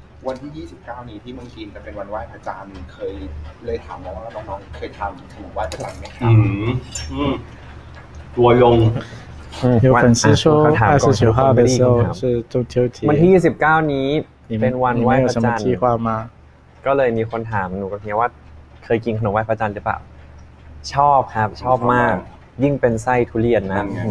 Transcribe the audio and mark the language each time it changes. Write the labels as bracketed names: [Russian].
[Thai] วันที่29นี้ที่เมืองจีนจะเป็นวันไหว้พระจันทร์เคยเลยถามแล้วว่าน้องๆเคยทำขนมไหว้พระจันทร์ไหมครับ ตัวยง [Chinese] 有粉丝说29号的时候是中秋节 [Thai] วันที่29นี้เป็นวันไหว้พระจันทร์ [Chinese] 计划吗 [Thai] ก็เลยมีคนถามหนูก็เพียงว่าเคยกินขนมไหว้พระจันทร์หรือเปล่าชอบครับชอบมากยิ่งเป็นไส้ทุเรียนนะ